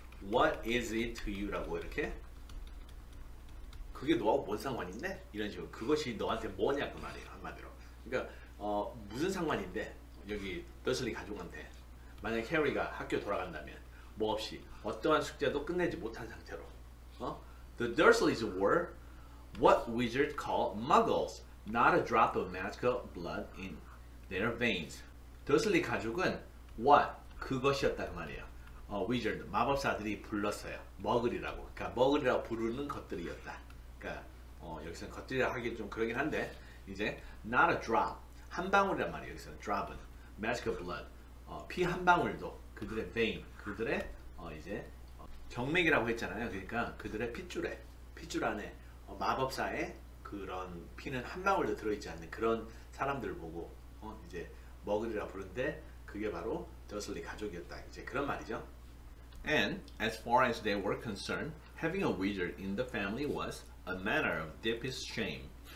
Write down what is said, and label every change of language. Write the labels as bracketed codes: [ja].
[en] What is it to you라고 [ko] 이렇게. 그게 너하고 뭔 상관인데? 이런 식으로 그것이 너한테 뭐냐 그 말이에요 한마디로. 그러니까 무슨 상관인데 여기 더슬리 가족한테 만약 해리가 학교 돌아간다면 뭐 없이 어떠한 숙제도 끝내지 못한 상태로. [en] The Dursleys were what wizards call muggles, not a drop of magical blood in their veins. [ko] 더슬리 가족은 what 그것이었다 그 말이에요. Wizard 마법사들이 불렀어요. 머글이라고, 그러니까 머글이라고 부르는 것들이었다. 그러니까 여기서는 겉들이라 하기 좀 그러긴 한데 이제 [en] not a drop [ko] 한 방울이란 말이에요. 여기서는 drop은 [en] magical blood [ko] 피한 방울도 그들의 vein 그들의 이제 정맥이라고 했잖아요. 그러니까 그들의 핏줄에 핏줄 안에 마법사의 그런 피는 한 방울도 들어있지 않는 그런 사람들을 보고 이제 머글이라 부른데 그게 바로 더슬리 가족이었다 이제 그런 말이죠. [en] And as far as they were concerned, having a wizard in the family was a matter of deepest shame.